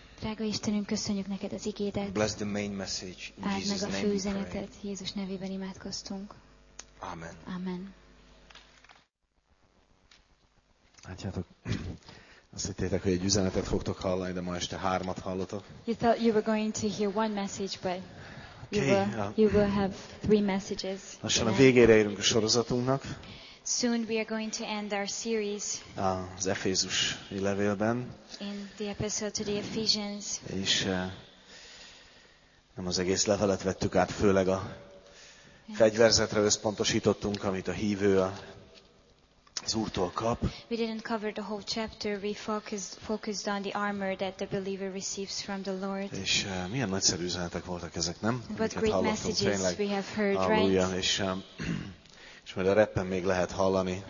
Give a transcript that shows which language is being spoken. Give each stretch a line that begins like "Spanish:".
Hungarian: Drága Istenünk, köszönjük neked az igédet.
English: Bless the main message in
Hungarian: áld
English: Jesus
Hungarian: meg a főüzenetet. Jézus nevében imádkoztunk. Amen. Amen. Atyátok, azt hittétek, hogy egy üzenetet fogtok hallani, de ma este hármat hallotok.
English: You thought you were going to hear one message, but you will have three messages.
Hungarian: Lassan a végére érünk a sorozatunknak.
English: Soon we are going to end our series.
Hungarian: Az Efézusi levélben.
English: In the epistle to the Ephesians.
Hungarian: És nem az egész levelet vettük át, főleg a fegyverzetre összpontosítottunk, amit a hívő az Úrtól kap.
English: We didn't cover the whole chapter. We focused on the armor that the believer receives from the Lord.
Hungarian: És milyen nagyszerű üzenetek voltak ezek, nem?
English: What great messages we have heard, right?
Hungarian: És és majd a rappen még lehet hallani.